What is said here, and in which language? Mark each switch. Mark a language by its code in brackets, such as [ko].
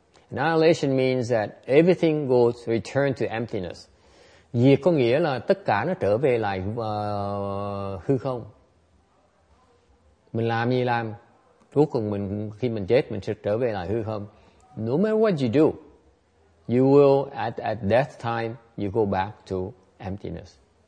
[en] Annihilation means that everything goes return to emptiness. [vi] Diệt có nghĩa là tất cả nó trở về lại hư không. Mình làm gì làm, cuối cùng mình khi mình chết mình sẽ trở về lại hư không. [en] No matter what you do, you will at death time you go back to emptiness.